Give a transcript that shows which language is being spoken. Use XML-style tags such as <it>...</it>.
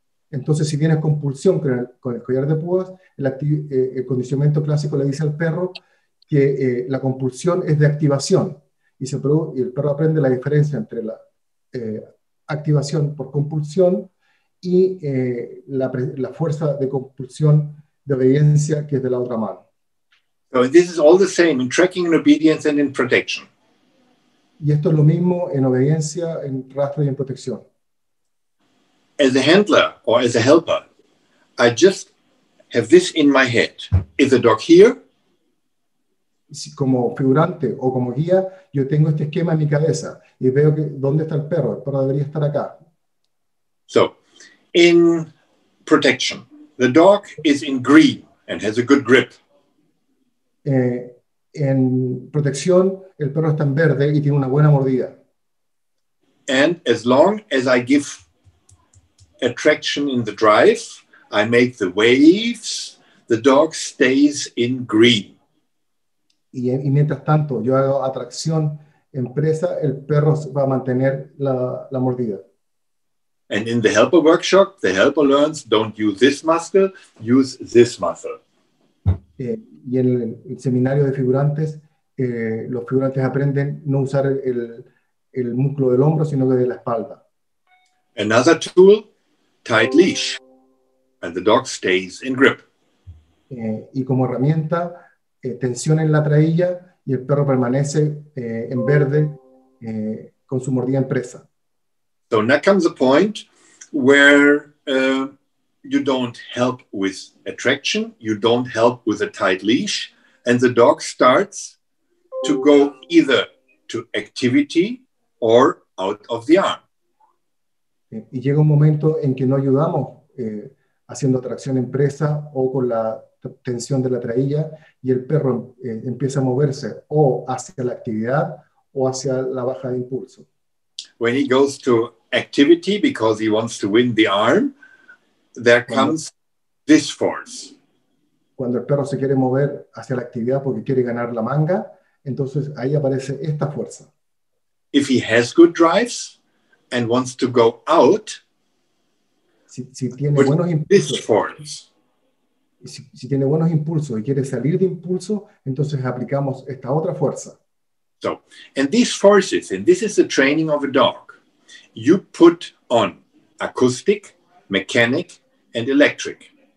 <es>Entonces, si tienes compulsión con el collar de púas, el condicionamiento clásico le dice al perro que la compulsión es de activación y se produce, y el perro aprende la diferencia entre la activación por compulsión y la fuerza de compulsión de obediencia que es de la otra mano.</es> <en>So this is all the same in tracking and obedience and in protection.</en> <es>Y esto es lo mismo en obediencia, en rastro y en protección.</es> <en>As a handler or as a helper, I just have this in my head. Is the dog here?</en> <es>Como figurante o como guía, yo tengo este esquema en mi cabeza y veo que dónde está el perro. El perro debería estar acá.</es> <en>So, in protection, the dog is in green and has a good grip.</en> <es>En protección, el perro está en verde y tiene una buena mordida.</es> <en>And as long as I give attraction in the drive, I make the waves, the dog stays in green.</en> <es>Y mientras tanto, yo hago atracción en presa, el perro va a mantener la mordida.</es> <en>And in the helper workshop, the helper learns, don't use this muscle, use this muscle.</en> <es>Y en el seminario de figurantes, los figurantes aprenden no usar el músculo del hombro, sino de la espalda.</es> <en>Another tool, tight leash. And the dog stays in grip.</en> <es>Y como herramienta, tensión en la traílla y el perro permanece en verde con su mordida en presa.</es> <en>So now comes the point where you don't help with attraction, you don't help with a tight leash, and the dog starts to go either to activity or out of the arm.</en> <es>Y llega un momento en que no ayudamos haciendo atracción en presa o con la tensión de la traílla y el perro empieza a moverse o hacia la actividad o hacia la baja de impulso.</es> <en>When he goes to activity because he wants to win the arm, there comes this force.</en> <es>Cuando el perro se quiere mover hacia la actividad porque quiere ganar la manga, entonces ahí aparece esta fuerza.</es> <en>If he has good drives and wants to go out,</en> <es>si tiene buenos impulsos,</es> <en>this force.</en> <es>Si tiene buenos impulsos y quiere salir de impulso, entonces aplicamos esta otra fuerza.</es> <en>So, and these forces, and this is the training of a dog, you put on acoustic, mechanic, and electric.</en>